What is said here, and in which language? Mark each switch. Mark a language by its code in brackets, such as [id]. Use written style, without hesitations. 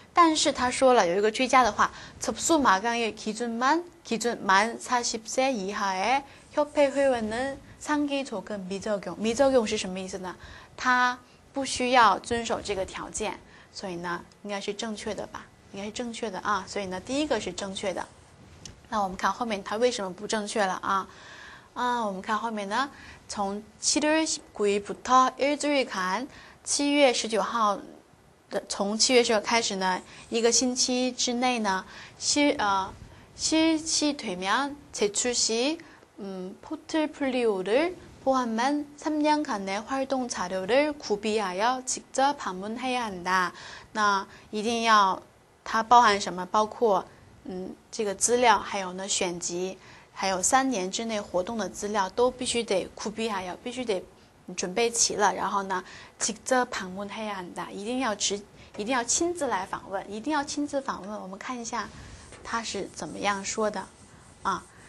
[zh] 但是他说了有一个追加的话， [ko] 접수마감일기준만40세이하의협회회원은상기조건미적용，미적용 [zh] 是什么意思呢？他不需要遵守这个条件，所以呢，应该是正确的吧？应该是正确的啊。所以呢，第一个是正确的。那我们看后面他为什么不正确了啊？我们看后面呢，从 [ko] 7월 19일부터1주일간， [zh] 7月19号开始呢，一个星期之内呢， [ko] 실시되면제출시포트폴리오를 포함한 3년간의 활동 자료를 구비하여 직접 방문해야 한다. [zh] 那一定要，它包含什么？包括这个资料，还有呢选集，还有3年之内活动的资料都必须得 [ko] 구비하여， [zh] 必须得准备齐了。然后呢， [ko] 직접방문해야한다， [zh] 一定要亲自来访问，一定要亲自访问。我们看一下他是怎么样说的啊？